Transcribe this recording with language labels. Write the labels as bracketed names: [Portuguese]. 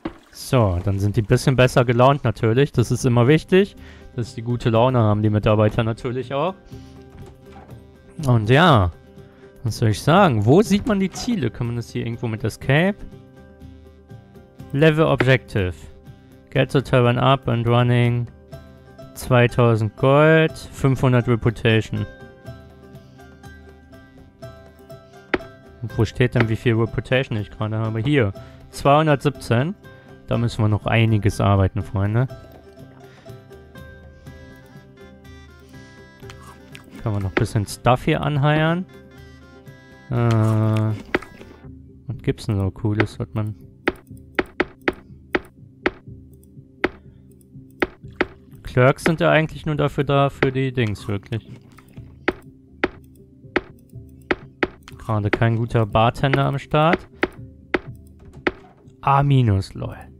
[German] So, dann sind die ein bisschen besser gelaunt natürlich. Das ist immer wichtig, dass die gute Laune haben, die Mitarbeiter natürlich auch. Und ja, was soll ich sagen? Wo sieht man die Ziele? Kann man das hier irgendwo mit Escape? [English] Level Objective. Get the Tavern up and running. 2000 Gold, 500 Reputation. [German] Wo steht denn, wie viel Reputation ich gerade habe? Hier, 217. Da müssen wir noch einiges arbeiten, Freunde. Können wir noch ein bisschen Stuff hier anheiern. Was gibt's denn so Cooles, was man... Clerks sind ja eigentlich nur dafür da, für die Dings, wirklich. Gerade kein guter Bartender am Start. A minus, lol.